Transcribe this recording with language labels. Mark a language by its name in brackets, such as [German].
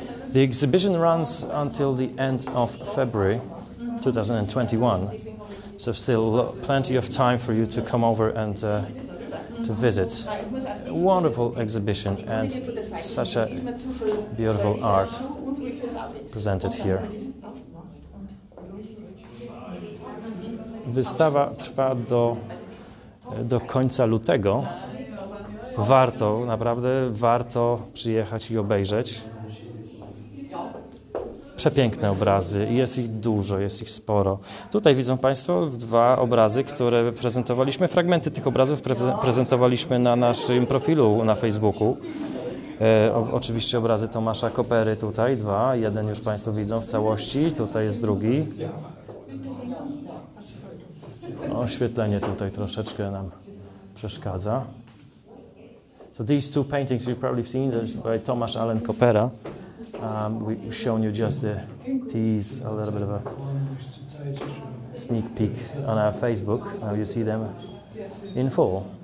[English] The exhibition runs until the end of February 2021, so still plenty of time for you to come over and to visit. Wonderful exhibition and such a beautiful art presented here. [Polish] Wystawa trwa do końca lutego. Warto, naprawdę warto przyjechać i obejrzeć. Przepiękne obrazy. Jest ich dużo, jest ich sporo. Tutaj widzą Państwo dwa obrazy, które prezentowaliśmy. Fragmenty tych obrazów prezentowaliśmy na naszym profilu na Facebooku. Oczywiście obrazy Tomasza Kopery tutaj, dwa. Jeden już Państwo widzą w całości. Tutaj jest drugi. Oświetlenie tutaj troszeczkę nam przeszkadza. [English] So these two paintings you've probably seen, there's by Tomasz Alen Kopera. We've shown you just the tease, a little bit of a sneak peek on our Facebook. Now you see them in full.